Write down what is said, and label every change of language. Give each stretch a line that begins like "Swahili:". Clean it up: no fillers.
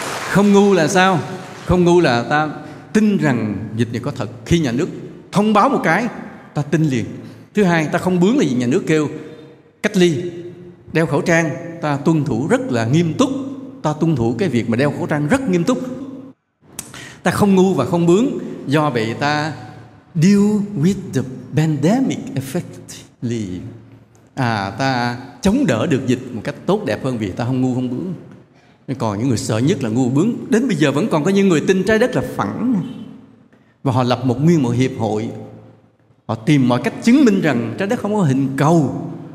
Vietnamese: Không ngu là sao? Không ngu là ta tin rằng dịch này có thật. Khi nhà nước thông báo một cái, ta tin liền. Thứ hai, ta không bướng là gì? Nhà nước kêu cách ly, đeo khẩu trang, ta tuân thủ rất là nghiêm túc. Ta tuân thủ cái việc mà đeo khẩu trang rất nghiêm túc. Ta không ngu và không bướng. Do vậy ta
English: deal with the pandemic effectively.
Vietnamese: À, ta chống đỡ được dịch một cách tốt đẹp hơn vì ta không ngu không bướng. Còn những người sợ nhất là ngu bướng. Đến bây giờ vẫn còn có những người tin trái đất là phẳng. Và họ lập một nguyên một hiệp hội. Họ tìm mọi cách chứng minh rằng trái đất không có hình cầu.